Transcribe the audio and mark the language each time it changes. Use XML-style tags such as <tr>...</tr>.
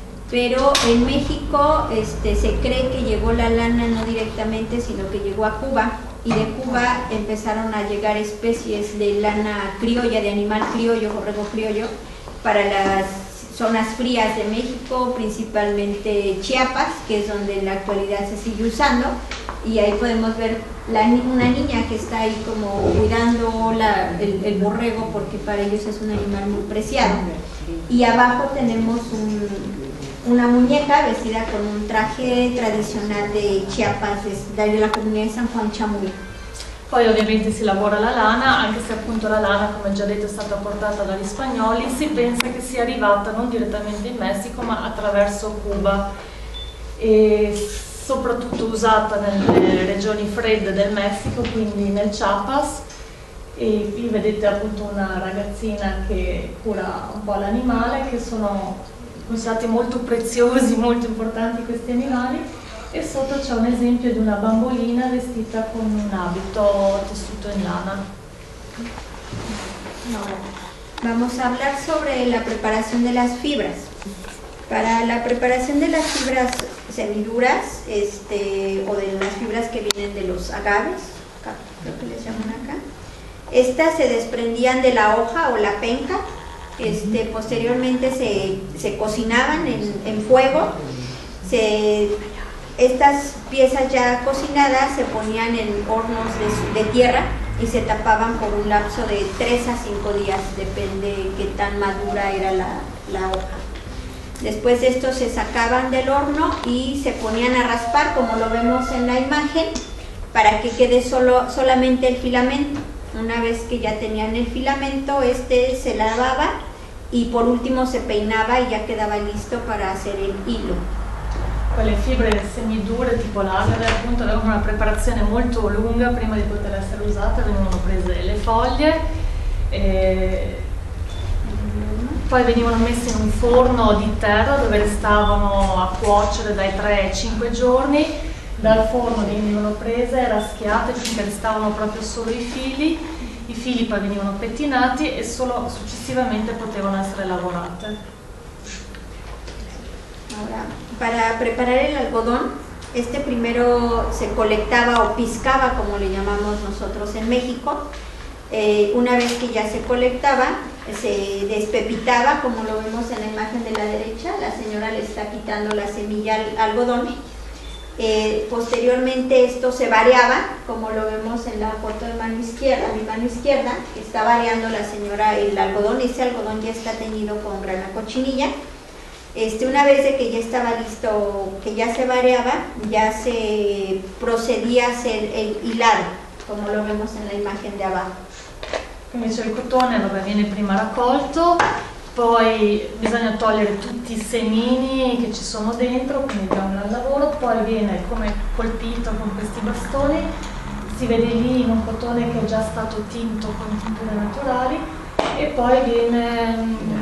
<es>Pero en México se cree que llegó la lana no directamente, sino que llegó a Cuba, y de Cuba empezaron a llegar especies de lana criolla, de animal criollo, borrego criollo, para las zonas frías de México, principalmente Chiapas, que es donde en la actualidad se sigue usando, y ahí podemos ver una niña que está ahí como cuidando el borrego, porque para ellos es un animal muy preciado. Y abajo tenemos una muñeca vestida con un traje tradicional de Chiapas, de la comunidad de San Juan Chamuy.</es> <it>Poi ovviamente si lavora la lana, anche se appunto la lana, come già detto, è stata portata dagli spagnoli, si pensa che sia arrivata non direttamente in Messico, ma attraverso Cuba, e soprattutto usata nelle regioni fredde del Messico, quindi nel Chiapas. E qui vedete appunto una ragazzina che cura un po' l'animale, che sono considerati molto preziosi, molto importanti questi animali. E sotto c'è un esempio di una bambolina vestita con un abito tessuto in lana.</it> <es>Ora, vamos a hablar sobre la preparación de las fibras. Para la preparación de las fibras semiduras, o de las fibras que vienen de los agaves, creo que les llaman acá, estas se desprendían de la hoja o la penca, posteriormente se cocinaban en fuego, estas piezas ya cocinadas se ponían en hornos de tierra y se tapaban por un lapso de 3 a 5 días, depende qué tan madura era la hoja. Después de esto se sacaban del horno y se ponían a raspar, como lo vemos en la imagen, para que quede solamente el filamento. Una vez que ya tenían el filamento, se lavaba y por último se peinaba y ya quedaba listo para hacer el hilo.</es> <it>Le fibre semidure tipo l'agave appunto avevano una preparazione molto lunga prima di poter essere usate, venivano prese le foglie e poi venivano messe in un forno di terra dove restavano a cuocere dai 3 ai 5 giorni, dal forno venivano prese, raschiate finché restavano proprio solo i fili poi venivano pettinati e solo successivamente potevano essere lavorate.</it> <es>Para preparar el algodón, primero se colectaba o piscaba, como le llamamos nosotros en México. Una vez que ya se colectaba, se despepitaba, como lo vemos en la imagen de la derecha, la señora le está quitando la semilla al algodón. Posteriormente esto se variaba, como lo vemos en la foto de mi mano izquierda, está variando la señora el algodón, ese algodón ya está teñido con grana cochinilla. Una vez de que ya estaba listo, que ya se variaba, ya se procedía a hacer el hilado, como lo vemos en la imagen de abajo.</es> <it>Quindi c'è il cotone, dove viene prima raccolto, poi bisogna togliere tutti i semini che ci sono dentro, quindi andiamo al lavoro, poi viene come colpito con questi bastoni, si vede lì in un cotone che è già stato tinto con tinture naturali e poi viene</it>